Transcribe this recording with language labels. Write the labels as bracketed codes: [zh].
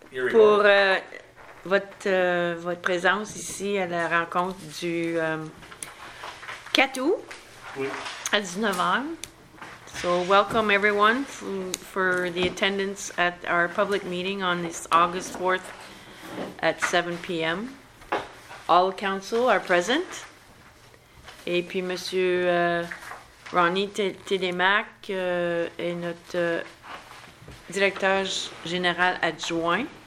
[fr] pour votre présence ici à la rencontre du 4 août à 19h. [en] So welcome everyone for the attendance at our public meeting on this August 4th at 7 p.m. All council are present. [fr] Et puis Monsieur Ronnie Télémac est notre directeur général adjoint.